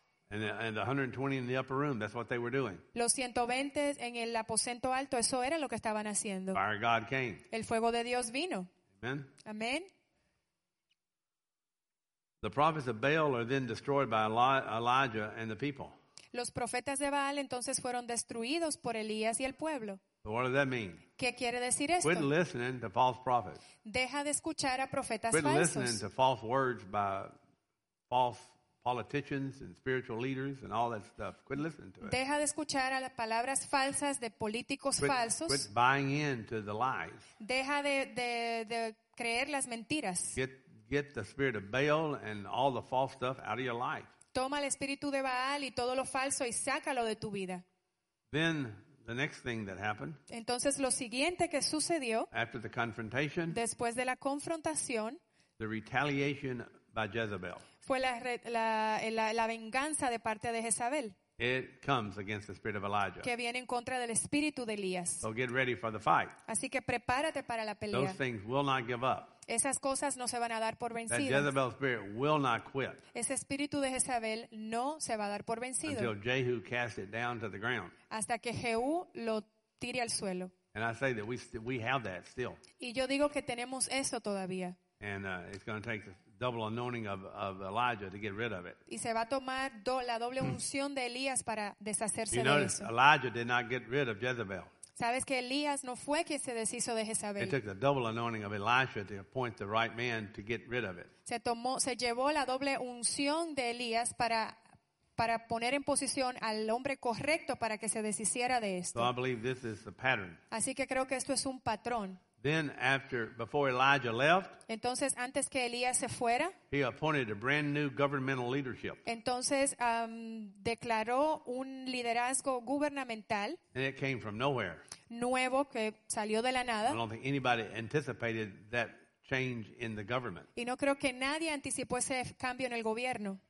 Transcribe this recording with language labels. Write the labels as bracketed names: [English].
[English] And 120 in the upper room. That's what they were doing. [Spanish] Los 120 en el aposento alto. Eso era lo que estaban haciendo. [English] Fire of God came. [Spanish] El fuego de Dios vino. [English] Amen. [Spanish] Amen. [English] The prophets of Baal are then destroyed by Elijah and the people. [Spanish] Los profetas de Baal entonces fueron destruidos por Elías y el pueblo. [English] So what does that mean? [Spanish] ¿Qué quiere decir esto? [English] Quit listening to false prophets. [Spanish] Deja de escuchar a profetas [English] Quit [Spanish] falsos. [English] Quit listening to false words by false politicians and spiritual leaders and all that stuff. Quit listening to it. [Spanish] Deja de escuchar a las palabras falsas de políticos falsos. [English] Quit buying into the lies. [Spanish] Deja de creer las mentiras. [English] Get the spirit of Baal and all the false stuff out of your life. [Spanish] Toma el espíritu de Baal y todo lo falso y sácalo de tu vida. [English] Then the next thing that happened. [Spanish] Entonces lo siguiente que sucedió. [English] After the confrontation. [Spanish] Después de la confrontación. [English] The retaliation by Jezebel. [Spanish] Fue la venganza de parte de Jezabel. [English] It comes against the spirit of Elijah. [Spanish] Que viene en contra del espíritu de Elías. [English] So get ready for the fight. [Spanish] Así que prepárate para la pelea. [English] Those things will not give up. [Spanish] Esas cosas no se van a dar por vencidas. [English] That Jezebel's spirit will not quit. [Spanish] Ese espíritu de Jezabel no se va a dar por vencido. [English] Until Jehu cast it down to the ground. [Spanish] Hasta que Jehú lo tire al suelo. [English] And I say that we have that still. [Spanish] Y yo digo que tenemos eso todavía. [English] And it's going to take the double anointing of Elijah to get rid of it. [Spanish] Y se va a tomar la doble unción de Elías para deshacerse [English] you [Spanish] de [English] notice, [Spanish] eso. [English] Elijah did not get rid of Jezebel. [Spanish] Sabes que Elías no fue quien se deshizo de Jezabel. [English] It took the double anointing of Elijah to appoint the right man to get rid of it. [Spanish] Se llevó la doble unción de Elías para poner en posición al hombre correcto para que se deshiciera de esto. [English] So I believe this is the pattern. [Spanish] Así que creo que esto es un patrón. [English] Then after, before Elijah left, [Spanish] entonces, antes que Elías se fuera, [English] he appointed a brand new governmental leadership. [Spanish] Entonces, declaró un liderazgo gubernamental. [English] And it came from nowhere. [Spanish] Nuevo, que salió de la nada. [English] I don't think anybody anticipated that change in the government. [Spanish] Y no creo que nadie anticipó ese cambio en el gobierno.